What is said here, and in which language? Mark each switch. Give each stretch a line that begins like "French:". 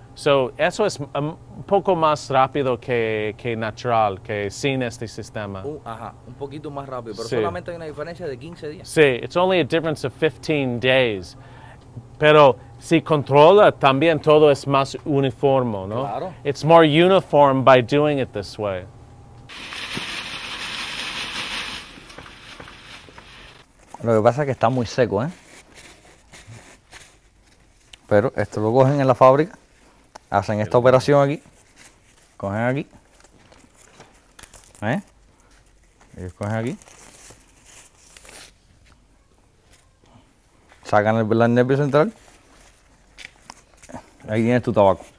Spanish: So eso es un poco más rápido que natural, que sin este sistema. Ajá, un poquito más rápido, pero sí. Solamente hay una diferencia de 15 días.
English: Sí, it's only a difference of 15 days.
Spanish: Pero si controla, también todo es más uniforme, ¿no? Claro.
English: It's more uniform by doing it this way.
Spanish: Lo que pasa es que está muy seco, ¿eh? Pero esto lo cogen en la fábrica, hacen esta operación aquí, cogen aquí, ¿eh? Ellos cogen aquí, sacan el nervio central, ahí tienes tu tabaco.